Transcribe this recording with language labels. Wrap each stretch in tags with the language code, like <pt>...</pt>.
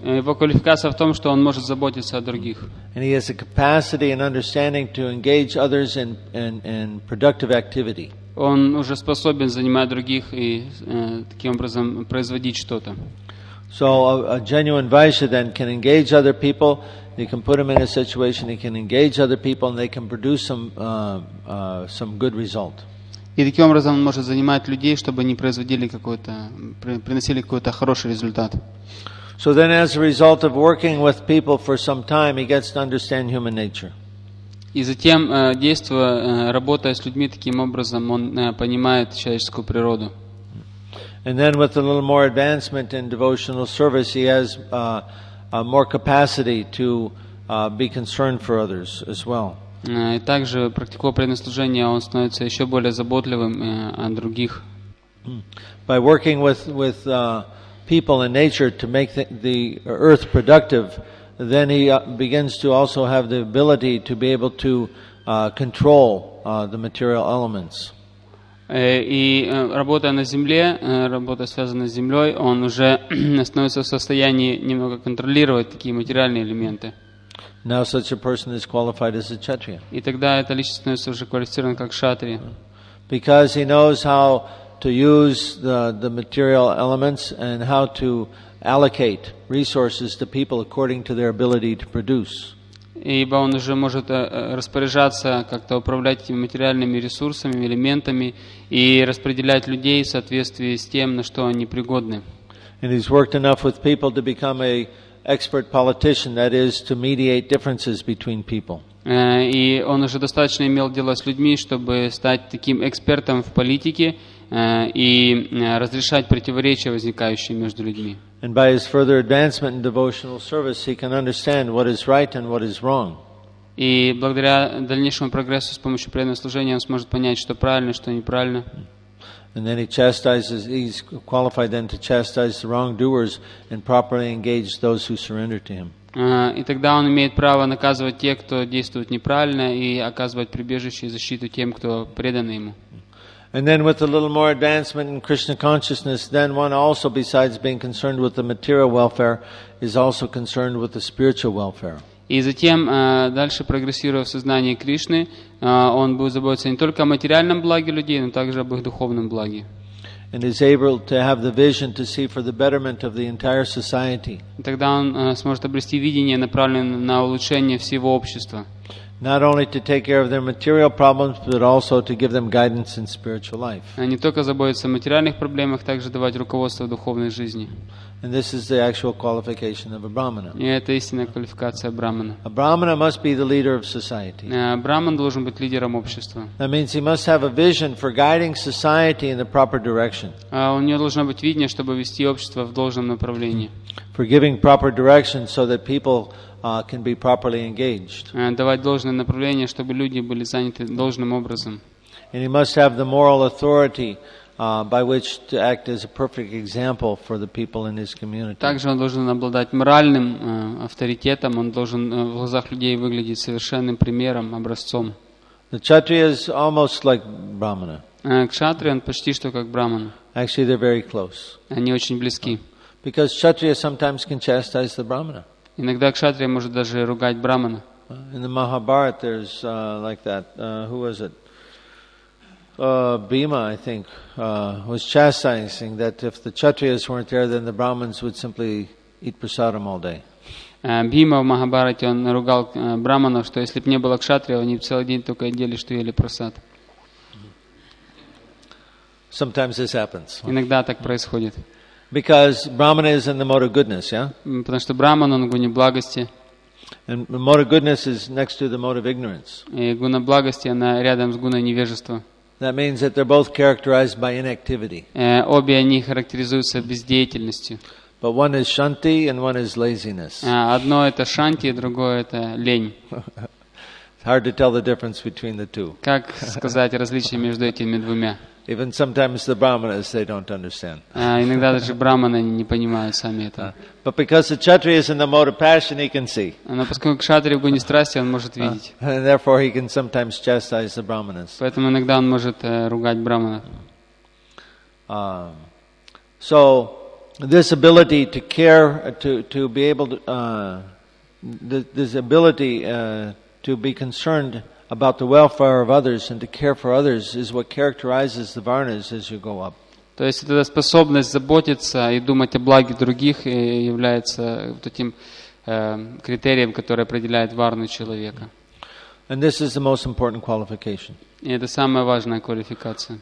<ru>Его квалификация в том, что он может заботиться о других.</ru> <en>And he has the capacity and understanding to engage others in productive activity.</en> <ru>Он уже способен занимать других и таким образом производить что-то.</ru> <en>So a genuine Vaishya then can engage other people. You can put him in a situation, he can engage other people, and they can produce some good result.</en> <ru>И таким образом он может занимать людей, чтобы они производили какой-то, приносили какой-то хороший результат.</ru> <en>So then, as a result of working with people for some time, he gets to understand human nature.</en> <ru>И затем, действуя, работая с людьми таким образом, он понимает человеческую природу.</ru> <en>And then with a little more advancement in devotional service, he has more capacity to be concerned for others as well.</en> <ru>И также, практикуя преданное служение, он становится еще более заботливым о других.</ru> <en>By working with people in nature to make the earth productive, then he begins to also have the ability to be able to control the material elements.</en> <ru>И работая на земле, работа связанная с землей, он уже становится в состоянии немного контролировать такие материальные элементы.</ru> <en>Now such a person is qualified as a kshatriya.</en> <ru>И тогда эта личность становится уже квалифицирована как кшатрия.</ru> <en>Because he knows how to use the material elements and how to allocate resources to people according to their ability to produce.</en> <ru>Ибо он уже может распоряжаться, как-то управлять этими материальными ресурсами, элементами и распределять людей в соответствии с тем, на что они пригодны.</ru> <en>And he's worked enough with people to become an expert politician, that is, to mediate differences between people.</en> <ru>И он уже достаточно имел дело с людьми, чтобы стать таким экспертом в политике и разрешать противоречия, возникающие между людьми.</ru> <en>And by his further advancement in devotional service, he can understand what is right and what is wrong.</en> <ru>И благодаря дальнейшему прогрессу с помощью преданного служения он сможет понять, что правильно, что неправильно.</ru> <en>And then he's qualified then to chastise the wrongdoers and properly engage those who surrender to him.</en> <ru>И тогда он имеет право наказывать тех, кто действует неправильно, и оказывать прибежище и защиту тем, кто предан ему.</ru> <en>And then with a little more advancement in Krishna consciousness, then one also, besides being concerned with the material welfare, is also concerned with the spiritual welfare.</en> <ru>И затем, дальше прогрессируя в сознании Кришны, он будет заботиться не только о материальном благе людей, но также об их духовном благе.</ru> <en>And is able to have the vision to see for the betterment of the entire society.</en> <ru>Тогда он сможет обрести видение, направленное на улучшение всего общества.</ru> <en>Not only to take care of their material problems, but also to give them guidance in spiritual life.</en> <ru>Не только заботиться о материальных проблемах, также давать руководство духовной жизни.</ru> <en>And this is the actual qualification of a brahmana.</en> <ru>И это истинная квалификация брахмана.</ru> <en>A brahmana must be the leader of society.</en> <ru>Брахман должен быть лидером общества.</ru> <en>That means he must have a vision for guiding society in the proper direction.</en> <ru>У него должно быть видение, чтобы вести общество в должном направлении.</ru> <en>For giving proper direction so that people can be properly engaged.</en> <ru>Давать должное направление, чтобы люди были заняты должным образом.</ru> <en>And he must have the moral authority by which to act as a perfect example for the people in his community.</en> <ru>Также он должен обладать моральным авторитетом, он должен в глазах людей выглядеть совершенным примером, образцом.</ru> <en>The Kshatriya is almost like Brahmana.</en> <ru>Кшатрия, он почти что как Брахмана.</ru> <en>Actually, they're very close.</en> <ru>Они очень близки.</ru> <en>Because Kshatriya sometimes can chastise the Brahmana.</en> <ru>Иногда Кшатрия может даже ругать Брахмана.</ru> <en>In the Mahabharata, there's like that. Who was it? Bhima, I think, was chastising that if the Kshatriyas weren't there, then the Brahmins would simply eat prasadam all day.</en> <ru>Бхима в Махабхарате он ругал браманов, что если бы не было кшатрия, они целый день только ели, что ели просад.</ru> <en>Sometimes this happens.</en> <ru>Иногда так происходит.</ru> <en>Because brahmana is in the mode of goodness, yeah?</en> <ru>Потому что браман он в гуне благости.</ru> <en>And the mode of goodness is next to the mode of ignorance.</en> <ru>И гуна благости она рядом с гуной невежества.</ru> <en>That means that they're both characterized by inactivity.</en> <ru>Обе они характеризуются бездеятельностью.</ru> <en>But one is shanti and one is laziness.</en> <ru>Одно это шанти, другое это лень.</ru> <en>Hard to tell the difference between the two.</en> <ru>Как сказать различие между этими двумя?</ru> <en>Even sometimes the brahmanas they don't understand.</en> <ru>Иногда даже брахманы не понимают сами это.</ru> <en>But because the kshatriya is in the mode of passion, he can see.</en> <ru>Но поскольку кшатрия в гуне страсти, он может видеть.</ru> <en>And therefore he can sometimes chastise the brahmanas.</en> <ru>Поэтому иногда он может ругать брахмана.</ru> <en>So this ability to care to be able to this ability to be concerned about the welfare of others and to care for others is what characterizes the varnas as you go up.</en> <ru>То есть эта способность заботиться и думать о благе других является вот этим критерием, который определяет варну человека.</ru> <en>And this is the most important qualification.</en> <ru>И это самая важная квалификация.</ru>